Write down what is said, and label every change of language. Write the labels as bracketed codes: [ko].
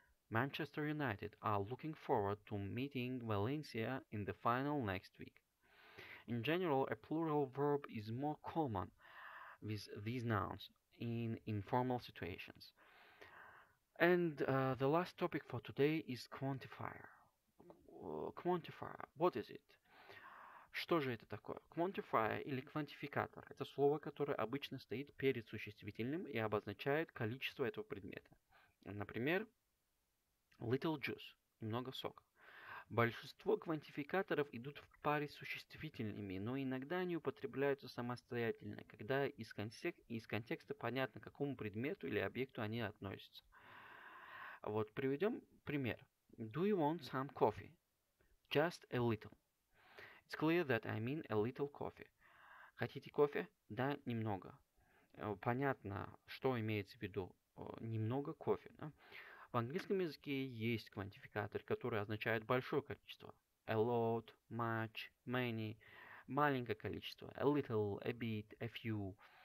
[en] Manchester United are looking forward to meeting Valencia in the final next week. In general, a plural verb is more common with these nouns in informal situations. And the last topic for today is quantifier. Quantifier. What is it? [ru] Что же это такое? Quantifier или квантификатор – это слово, которое обычно стоит перед существительным и обозначает количество этого предмета. Например, [en] little juice [ru] – немного сока. Большинство квантификаторов идут в паре с существительными, но иногда они употребляются самостоятельно, когда из контекста понятно, к какому предмету или объекту они относятся. Вот приведем пример. [en] Do you want some coffee? Just a little. It's clear that I mean a little coffee. [ru] Хотите кофе? Да, немного. Понятно, что имеется в виду. Немного кофе. Да? В английском языке есть квантификатор, который означает большое количество. [en] A lot, much, many. [ru] Маленькое количество. [en] A little, a bit, a few.